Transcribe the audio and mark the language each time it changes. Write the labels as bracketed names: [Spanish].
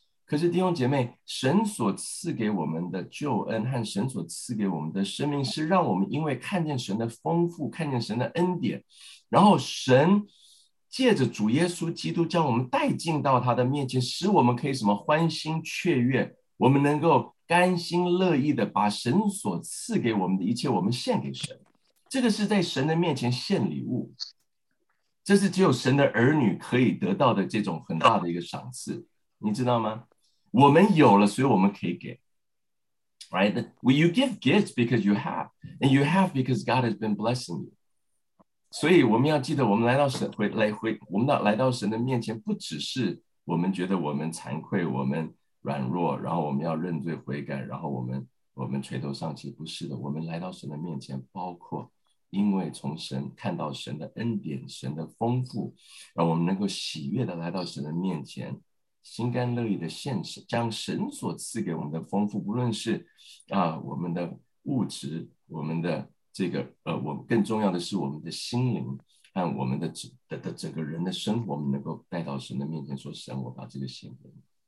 [Chinese] 可是弟兄姐妹，神所赐给我们的救恩和神所赐给我们的生命，是让我们因为看见神的丰富，看见神的恩典，然后神借着主耶稣基督将我们带进到他的面前，使我们可以什么欢欣雀跃，我们能够甘心乐意的把神所赐给我们的一切我们献给神。这个是在神的面前献礼物，这是只有神的儿女可以得到的这种很大的一个赏赐，你知道吗？我们有了，所以我们可以给。 [English] Right? Well, you give gifts because you have, and you have because God has been blessing you. [Chinese] 所以我们要记得，我们来到神我们来到神的面前，不只是我们觉得我们惭愧，我们软弱，然后我们要认罪悔改，然后我们垂头丧气，不是的。我们来到神的面前，包括因为从神看到神的恩典、神的丰富，让我们能够喜悦的来到神的面前，心甘乐意的献上，将神所赐给我们的丰富，不论是我们的物质，我们的这个我更重要的是我们的心灵和我们 的整个人的生活，我们能够带到神的面前说，神，我把这个献给你。